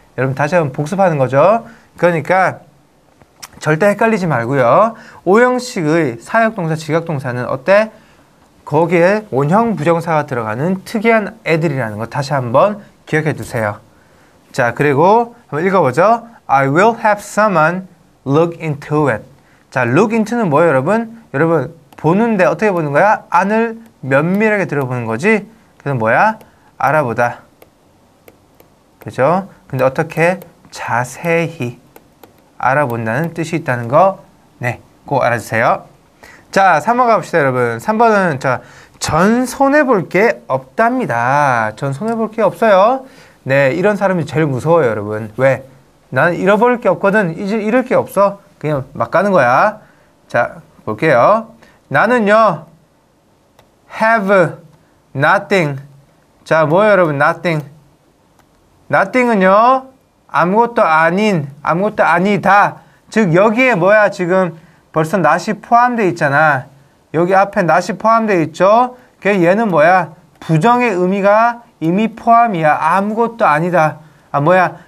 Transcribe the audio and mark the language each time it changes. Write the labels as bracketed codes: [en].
[ko] 여러분 다시 한번 복습하는 거죠. 그러니까 절대 헷갈리지 말고요. 5형식의 사역동사, 지각동사는 어때? 거기에 원형 부정사가 들어가는 특이한 애들이라는 거 다시 한번 기억해 두세요. 자, 그리고 한번 읽어보죠. [en] I will have someone look into it. [ko] 자, look into는 뭐예요, 여러분? 여러분, 보는데 어떻게 보는 거야? 안을 면밀하게 들어보는 거지? 그래서 뭐야? 알아보다. 그죠? 근데 어떻게? 자세히 알아본다는 뜻이 있다는 거, 네, 꼭 알아주세요. 자, 3번 가봅시다, 여러분. 3번은, 자, 전 손해볼 게 없답니다. 전 손해볼 게 없어요. 네, 이런 사람이 제일 무서워요, 여러분. 왜? 난 잃어버릴 게 없거든. 이제 잃을 게 없어. 그냥 막 가는 거야. 자, 볼게요. 나는요, [en] have nothing. [ko] 자, 뭐예요, 여러분? nothing. nothing은요, 아무것도 아닌, 아무것도 아니다. 즉, 여기에 뭐야, 지금? 벌써 not이 포함되어 있잖아. 여기 앞에 not이 포함되어 있죠? 그 얘는 뭐야? 부정의 의미가 이미 포함이야. 아무것도 아니다. 아, 뭐야?